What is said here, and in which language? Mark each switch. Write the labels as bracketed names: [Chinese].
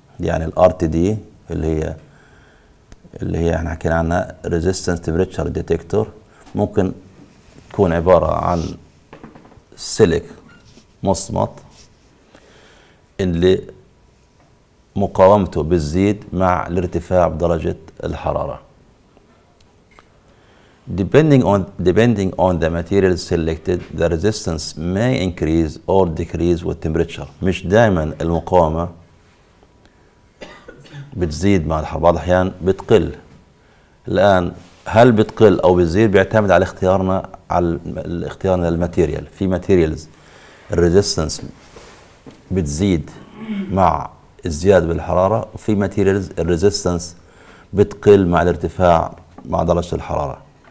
[Arabic] يعني ال RTD اللي هي احنا حكينا عنها [English] resistance temperature detector [Arabic] ممكن تكون عبارة عن سلك مصمت اللي مقاومته بتزيد مع الارتفاع بدرجة الحرارة. [English] Depending on the material selected, the resistance may increase or decrease with temperature. [Arabic] مش دائما المقاومة بتزيد مع الحرارة، بعض الأحيان بتقل. الآن هل بتقل أو بتزيد بيعتمد على اختيارنا، على اختيارنا للماتيريال. في ماتيريالز الريزيستنس بتزيد مع الزيادة بالحرارة، وفي ماتيريالز الريزيستنس بتقل مع الارتفاع مع درجة الحرارة.